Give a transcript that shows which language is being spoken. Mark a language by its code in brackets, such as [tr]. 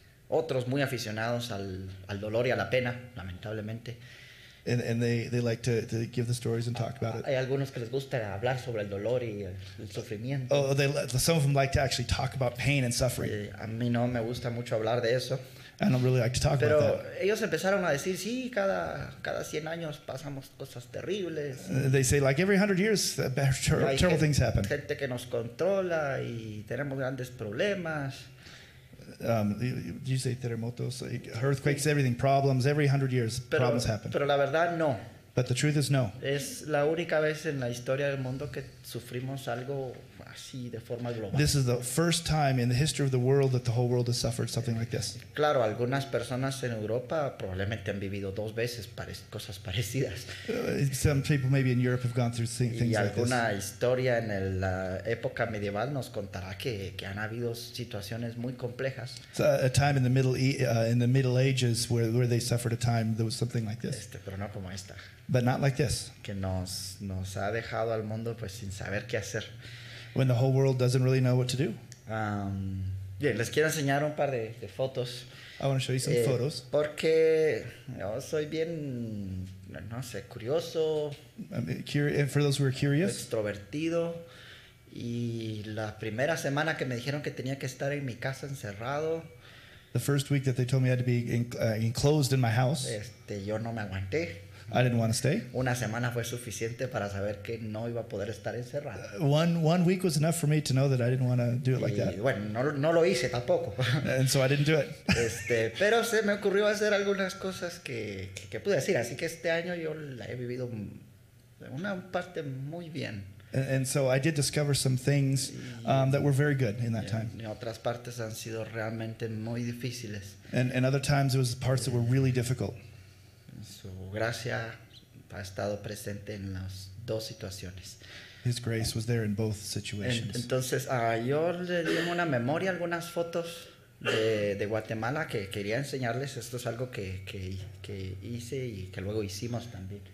[es] Otros muy aficionados al dolor y a la pena, lamentablemente. [en] And they like to give the stories and talk about it. [es] Hay algunos que les gusta hablar sobre el dolor y el sufrimiento. [en] Oh, some of them like to actually talk about pain and suffering. [es] A mí no me gusta mucho hablar de eso. [en] I don't really like to talk [es] Pero [en] about that. [es] Pero ellos empezaron a decir, sí, cada 100 años pasamos cosas terribles. [en] They say, like, every 100 years, terrible things happen. [es] Gente que nos controla y tenemos grandes problemas. [en] You say terremotos, earthquakes, everything, problems. Every 100 years, problems happen. [es] Pero la verdad, no. [en] But the truth is, no. [es] Es la única vez en la historia del mundo que sufrimos algo así de forma global. [en] This is the first time in the history of the world that the whole world has suffered something like this. [es] Claro, algunas personas en Europa probablemente han vivido dos veces cosas parecidas. [en] Some people maybe in Europe have gone through things like this. [es] Y alguna historia en la época medieval nos contará que han habido situaciones muy complejas. [en] So a time in the Middle Ages where they suffered a time that was something like this. [es] Pero no como esta. [en] But not like this. [es] Que nos ha dejado al mundo pues sin saber qué hacer. [en] When the whole world doesn't really know what to do. [es] Bien, les quiero enseñar un par de fotos. [en] I want to show you some photos. [es] Porque yo soy bien, no sé, curioso. [en] And for those who are curious. [es] Extrovertido. Y la primera semana que me dijeron que tenía que estar en mi casa encerrado. [en] The first week that they told me I had to be enclosed in my house. [es] Yo no me aguanté. [en] I didn't want to stay. [es] Una semana fue suficiente para saber que no iba a poder estar encerrado. [en] One week was enough for me to know that I didn't want to do it like that. [es] Bueno, no lo hice tampoco. [en] And so I didn't do it. [es] Pero se me ocurrió hacer algunas cosas que pude decir. Así que este año yo la he vivido una parte muy bien. [en] And so I did discover some things that were very good in that time. [es] Y otras partes han sido realmente muy difíciles. [en] And other times it was parts that were really difficult. [es] Su gracia ha estado presente en las dos situaciones. [en] His grace was there in both situations. [es] Entonces, yo le di una memoria algunas fotos de Guatemala que quería enseñarles. Esto es algo que hice y que luego hicimos también.